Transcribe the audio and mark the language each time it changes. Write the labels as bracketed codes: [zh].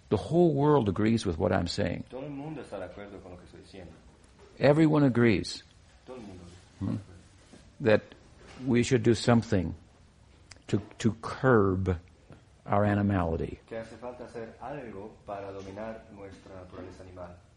[en] The whole world agrees with what I'm saying. [es] Todo el mundo está de acuerdo con lo que estoy diciendo. [en] Everyone agrees. [es] Todo el mundo. [en] That we should do something to curb our animality. [es] Que hace falta hacer algo para dominar nuestra naturaleza animal.